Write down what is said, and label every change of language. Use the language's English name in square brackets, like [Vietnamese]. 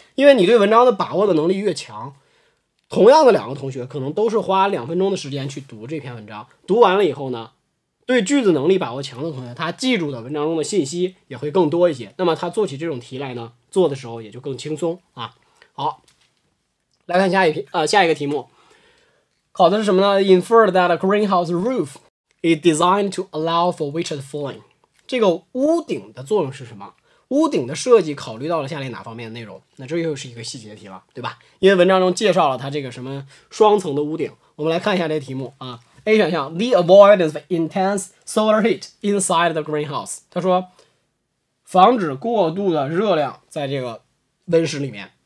[Chinese] 因为你对文章的把握的能力越强，同样的两个同学可能都是花两分钟的时间去读这篇文章，读完了以后呢，对句子能力把握强的同学，他记住的文章中的信息也会更多一些，那么他做起这种题来呢，做的时候也就更轻松啊。好，来看下一个题目，考的是什么呢？ [English] Infer that a greenhouse roof is designed to allow for which of the following。 [Chinese] 这个屋顶的作用是什么？屋顶的设计考虑到了下列哪方面的内容？那这又是一个细节题了，对吧？因为文章中介绍了它这个什么双层的屋顶。我们来看一下这个题目啊。 A 选项， [English] The avoidance of intense solar heat inside the greenhouse， [Chinese] 他说防止过度的热量在这个温室里面。